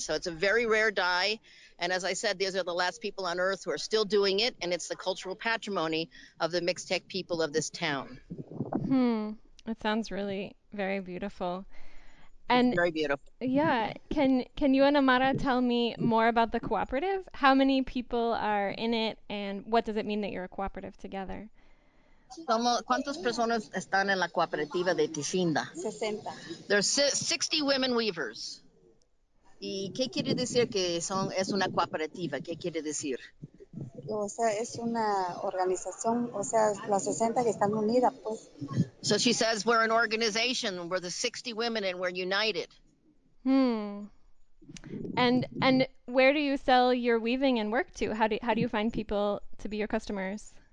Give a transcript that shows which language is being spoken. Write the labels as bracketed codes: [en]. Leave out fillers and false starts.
[en] So it's a very rare dye. And as I said, these are the last people on Earth who are still doing it, and it's the cultural patrimony of the Mixtec people of this town. That sounds really very beautiful. And it's very beautiful. Yeah. Can you and Amara tell me more about the cooperative? How many people are in it, and what does it mean that you're a cooperative together? [es] ¿Cuántas personas están en la cooperativa de Tishinda? 60. [en] There's 60 women weavers. [es] ¿Y qué quiere decir que es una cooperativa? ¿Qué quiere decir? O sea, es una organización, o sea, las 60 que están unidas, pues. [en] So she says we're an organization, we're the 60 women and we're united. And where do you sell your weaving and work to? How do you find people to be your customers?